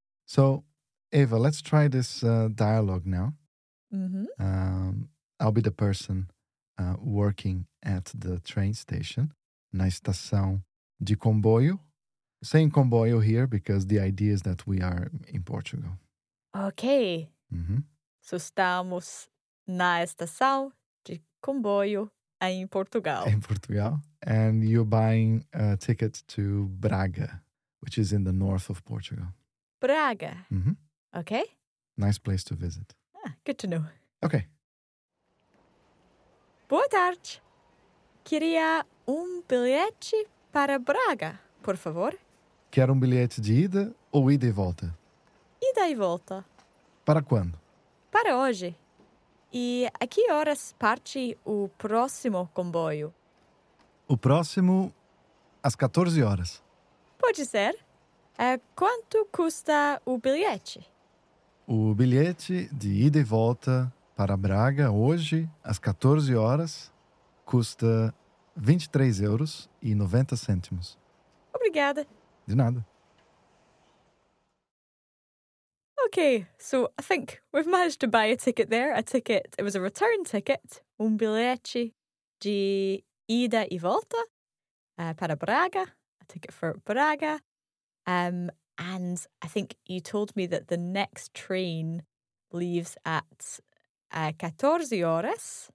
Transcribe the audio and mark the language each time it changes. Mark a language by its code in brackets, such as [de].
[en] So, Eva, let's try this dialogue now. Mm-hmm. I'll be the person working at the train station, [pt] na estação de comboio. [en] Saying comboio here because the idea is that we are in Portugal. Okay. Mm-hmm. [pt] So, estamos na estação de comboio em Portugal. [en] In Portugal. And you're buying a ticket to Braga, which is in the north of Portugal. Braga. Mm-hmm. Okay. Nice place to visit. Ah, good to know. Okay. [pt] Boa tarde. Queria bilhete para Braga, por favor. Quero bilhete de ida ou ida e volta? Ida e volta. Para quando? Para hoje. E a que horas parte o próximo comboio? O próximo, às 14 horas. Pode ser. Quanto custa o bilhete? O bilhete de ida e volta para Braga hoje, às 14 horas, custa 23 euros e 90 cêntimos. Obrigada. De nada. [en] Okay, so I think we've managed to buy a ticket there. It was a return ticket. [pt] Bilhete de ida e volta para Braga. [en] A ticket for Braga. And I think you told me that the next train leaves at [pt] 14 horas.